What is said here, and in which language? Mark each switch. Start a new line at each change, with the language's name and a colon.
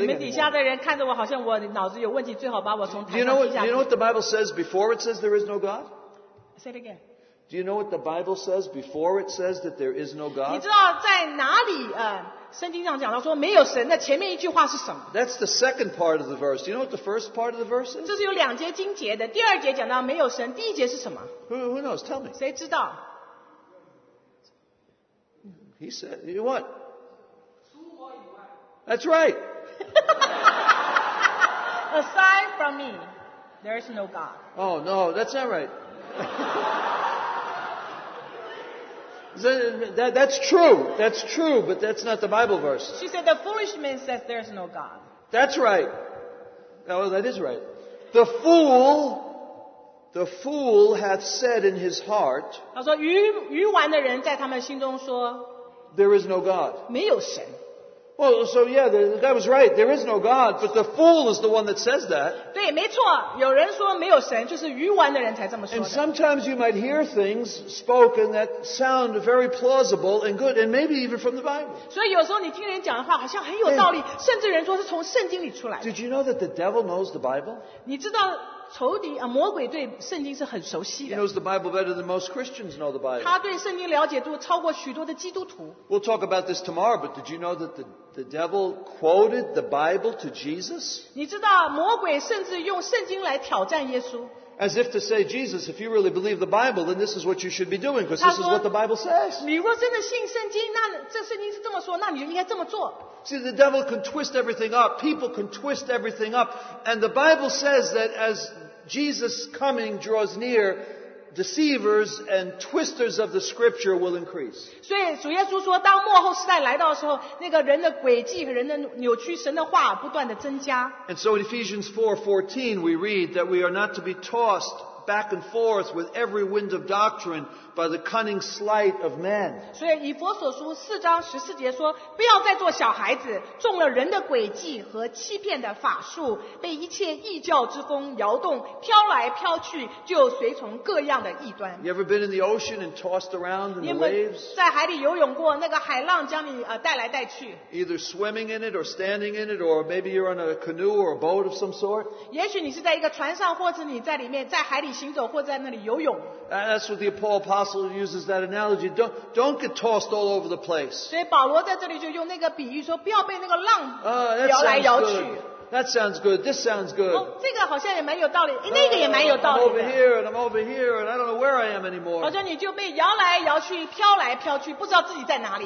Chinese: 你们底下的人看着我，好像我脑子有问题，最好把我从台上踢下去。
English: Do you know what the Bible says before it says there is no God? Say it again. Do you know what the Bible says before it says that there is no God?
Chinese: 你知道在哪里圣经上讲到说没有神的前面一句话是什么
English: That's the second part of the verse. Do you know what the first part of the verse is?
Chinese: 这是有两节经节的第二节讲到没有神第一节是什么
English: Who knows? Tell me.
Chinese: 谁知道
English: He said, you what?
Chinese: 除我以外
English: That's right. Aside from me, there is no God. Oh, no, that's not right. That's true. That's true, but that's not the Bible verse. She said, the foolish man says there's no God. That's right. Oh, that is right. The fool hath said in his heart,
Chinese: 他说愚顽的人在他们心中说
English: there is no God.
Chinese: 没有神。
English: Well, so yeah, the guy was right. There is no God, but the fool is the one that says that.
Chinese: 对，没错，有人说没有神，就是愚顽的人才这么说的。
English: And sometimes you might hear things spoken that sound very plausible and good, and maybe even from the Bible.
Chinese: 所以有时候你听人讲的话好像很有道理，甚至人说是从圣经里出来的。
English: Did you know that the devil knows the Bible?
Chinese: 你知道仇敌啊，魔鬼对圣经是很熟悉的。
English: He knows the Bible better than most Christians know the Bible.
Chinese: 他对圣经了解度超过许多的基督徒。
English: We'll talk about this tomorrow. But did you know that the devil quoted the Bible to Jesus?
Chinese: 你知道魔鬼甚至用圣经来挑战耶稣。
English: As if to say, Jesus, if you really believe the Bible, then this is what you should be doing, because this is what the Bible says.
Chinese: 你若真的信圣经，那这圣经是这么说，那你就应该这么做。
English: See, the devil can twist everything up. People can twist everything up. And the Bible says that as Jesus' coming draws near, deceivers and twisters of the scripture will increase.
Chinese: 所以主耶稣说，当末后时代来到的时候，那个人的诡计和人的扭曲神的话不断的增加。
English: And so in Ephesians 4:14, we read that we are not to be tossed back and forth with every wind of doctrine by the cunning sleight of men.
Chinese: 所以以弗所书四章十四节说，不要再做小孩子，中了人的诡计和欺骗的法术，被一切异教之风摇动，飘来飘去，就随从各样的异端。
English: You ever been in the ocean and tossed around in the waves?
Chinese: 在海里游泳过，那个海浪将你带来带去。
English: Either swimming in it or standing in it, or maybe you're on a canoe or a boat of some sort.
Chinese: 也许你是在一个船上，或者你在里面，在海里行走，或在那里游泳。
English: That's what the Apostle uses that analogy. Don't get tossed all over the place.
Chinese: 所以保罗在这里就用那个比喻说，不要被那个浪摇来摇去。
English: That sounds good. This sounds good.
Chinese: 这个好像也蛮有道理，那个也蛮有道理。
English: I'm over here and I'm over here and I don't know where I am anymore.
Chinese: 好像你就被摇来摇去，飘来飘去，不知道自己在哪里。